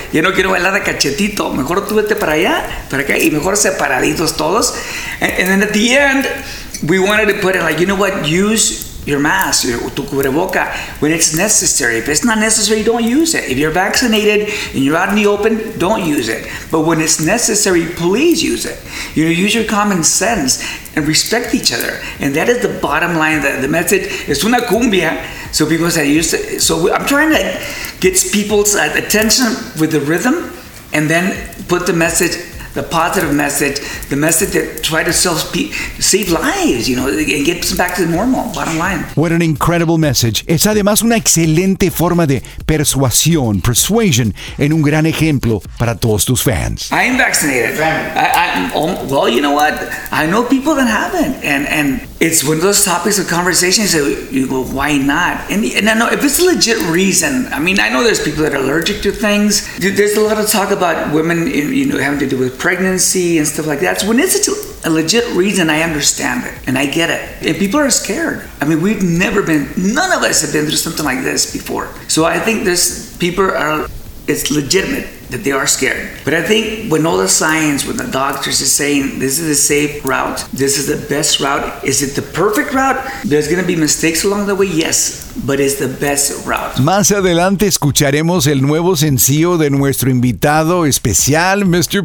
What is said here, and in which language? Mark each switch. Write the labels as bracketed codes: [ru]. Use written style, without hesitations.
[es] Ya no quiero bailar a cachetito, mejor tú vete para allá, para acá, y mejor separaditos todos. [en] And then at the end, we wanted to put it like, you know what, use your mask, [es] tu cubreboca, [en] when it's necessary. If it's not necessary, don't use it. If you're vaccinated and you're out in the open, don't use it. But when it's necessary, please use it. You know, use your common sense and respect each other. And that is the bottom line, the message. [es] Es una cumbia. [en] So people say, use it. So I'm trying to get people's attention with the rhythm and then put the message, the positive message, the message that try to save lives, you know, and get back to the normal, bottom line. What an incredible message. [es] Es además una excelente forma de persuasion, and un gran ejemplo para todos tus fans. [en] I am vaccinated. Well, you know what? I know people that haven't, and it's one of those topics of conversation. So you go, why not? And I know if it's a legit reason, I mean, I know there's people that are allergic to things. There's a lot of talk about women, you know, having to do with pregnancy and stuff like that. So when it's a legit reason, I understand it and I get it. And people are scared. I mean, we've never been, none of us have been through something like this before. So I think there's people are, it's legitimate that they are scared. But I think when all the science, when the doctors are saying, this is a safe route, this is the best route, is it the perfect route? There's going to be mistakes along the way, yes, but it's the best route. [es] Más adelante escucharemos el nuevo sencillo de nuestro invitado especial, Mr.